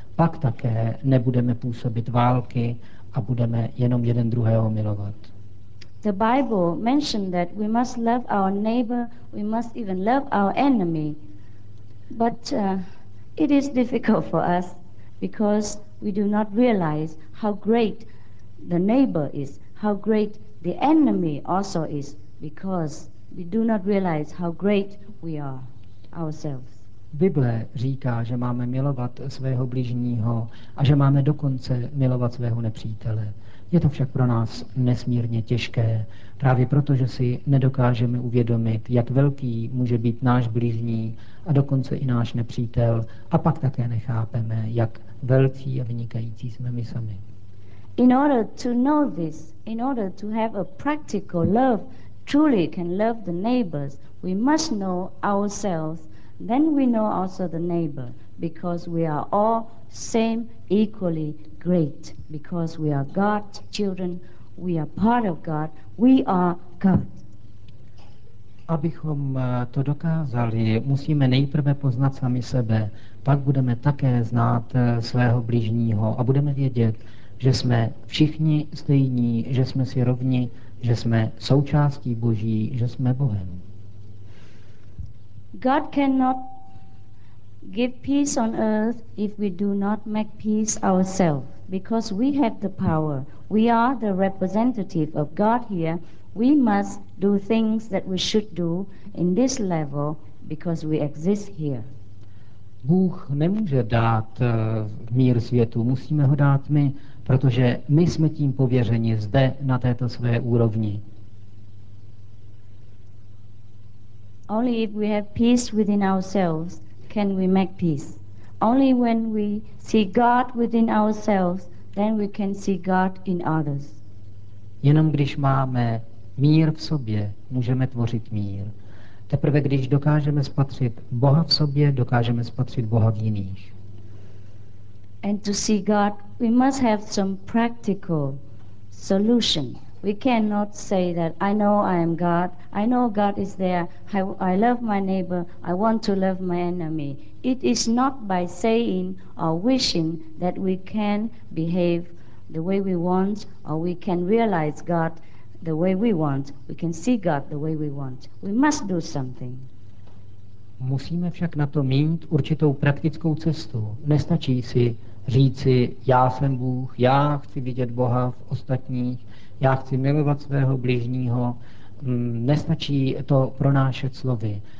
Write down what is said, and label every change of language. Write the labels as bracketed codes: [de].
[cs] Pak také nebudeme působit války a budeme jenom jeden druhého milovat. [en] The Bible mentioned that we must love our neighbor, we must even love our enemy. But it is difficult for us because we do not realize how great the neighbor is, how great the enemy also is, because we do not realize how great we are ourselves. [cs] Bible říká, že máme milovat svého bližního a že máme dokonce milovat svého nepřítele. Je to však pro nás nesmírně těžké, právě proto, že si nedokážeme uvědomit, jak velký může být náš bližní a dokonce i náš nepřítel, a pak také nechápeme, jak velcí a vynikající jsme my sami. [en] In order to know this, in order to have a practical love, truly can love the neighbors, we must know ourselves Then we know also the neighbor, because we are all same, equally great, because we are God's children, we are part of God, we are God. [cs] Abychom to dokázali, musíme nejprve poznat sami sebe, pak budeme také znát svého bližního a budeme vědět, že jsme všichni stejní, že jsme si rovni, že jsme součástí Boží, že jsme Bohem. [en] God cannot give peace on earth if we do not make peace ourselves, because we have the power. We are the representative of God here. We must do things that we should do in this level because we exist here. [cs] Bůh nemůže dát mír světu, musíme ho dát my, protože my jsme tím pověřeni zde na této své úrovni. [en] Only if we have peace within ourselves can we make peace. Only when we see God within ourselves, then we can see God in others. [cs] Jenom když máme mír v sobě, můžeme tvořit mír. Teprve když dokážeme spatřit Boha v sobě, dokážeme spatřit Boha v jiných. [en] And to see God, we must have some practical solution. We cannot say that I know I am God, I know God is there, I love my neighbor, I want to love my enemy. It is not by saying or wishing that we can behave the way we want, or we can realize God the way we want, we can see God the way we want. We must do something. [cs] Musíme však na to mít určitou praktickou cestu. Nestačí si říci, já jsem Bůh, já chci vidět Boha v ostatních, já chci milovat svého bližního, nestačí to pronášet slovy.